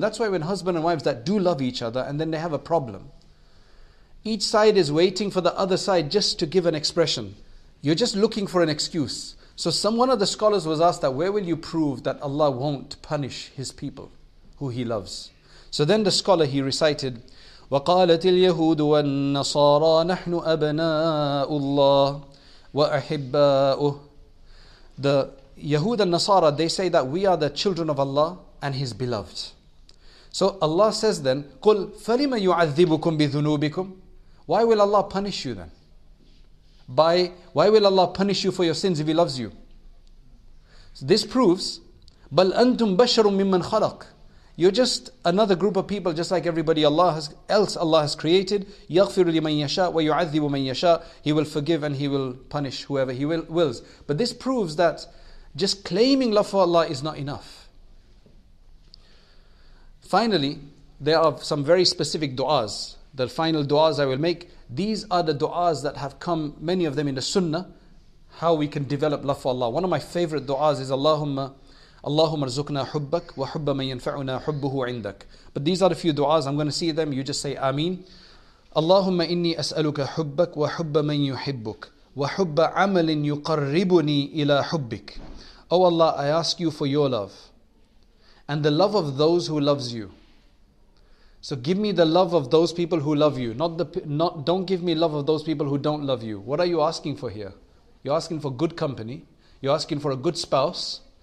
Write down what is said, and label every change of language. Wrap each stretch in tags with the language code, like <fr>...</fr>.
<en>That's why when husband and wives that do love each other and then they have a problem, each side is waiting for the other side just to give an expression. You're just looking for an excuse. So one of the scholars was asked that, where will you prove that Allah won't punish His people who He loves? So then the scholar, he recited,</en> <ar>وَقَالَتِ الْيَهُودُ وَالنَّصَارَى نَحْنُ أَبْنَاءُ اللَّهِ وَأَحِبَّاؤُهُ.</ar> <en>The Yahud and Nasara, they say that we are the children of Allah and His beloved. So Allah says then,</en> <ar>قُلْ فَلِمَ يُعَذِّبُكُمْ بِذُنُوبِكُمْ.</ar> <en>Why will Allah punish you then? Why will Allah punish you for your sins if He loves you? So this proves,</en> <ar>بَلْ أَنْتُمْ بَشَرٌ مِمَّنْ خَلَقٌ.</ar> <en>You're just another group of people, just like everybody else Allah has created.</en> <ar>يَغْفِرُ لِمَنْ يَشَاءُ وَيُعَذِّبُ مَنْ يَشَاءُ.</ar> <en>He will forgive and He will punish whoever He wills. But this proves that just claiming love for Allah is not enough. Finally, there are some very specific du'as. The final du'as I will make, these are the du'as that have come, many of them in the sunnah, how we can develop love for Allah. One of my favorite du'as is</en> <ar>اللهم ارزقنا حبك وحب من ينفعنا حبه عندك.</ar> <en>But these are a few du'as. I'm going to see them. You just say Ameen.</en> <ar>اللهم إني أسألك حبك وحب من يحبك وحب عمل يقربني إلى حبك.</ar> <en>Oh Allah, I ask You for Your love and the love of those who loves You. So give me the love of those people who love You. Don't give me love of those people who don't love You. What are you asking for here? You're asking for good company. You're asking for a good spouse.</en>